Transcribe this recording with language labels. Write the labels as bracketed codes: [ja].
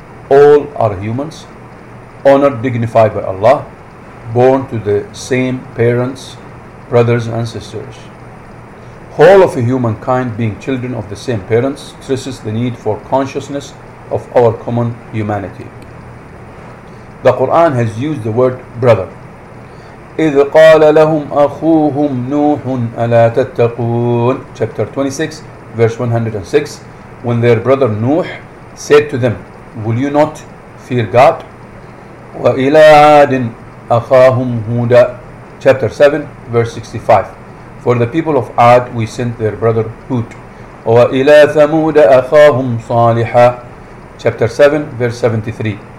[en] All are humans, honored, dignified by Allah, born to the same parents, brothers and sisters. All of humankind being children of the same parents stresses the need for consciousness of our common humanity. The Quran has used the word brother. [ar] إذ قال لهم أخوهم نوح ألا تتقون. [en] Chapter 26, verse 106. When their brother Nuh said to them, will you not fear God? [ar] وإلى عاد أخاهم هودا. [en] Chapter 7, verse 65. For the people of Ad, we sent their brother Hud. [ar] وإلى ثمود أخاهم صالحا. [en] Chapter 7, verse 73.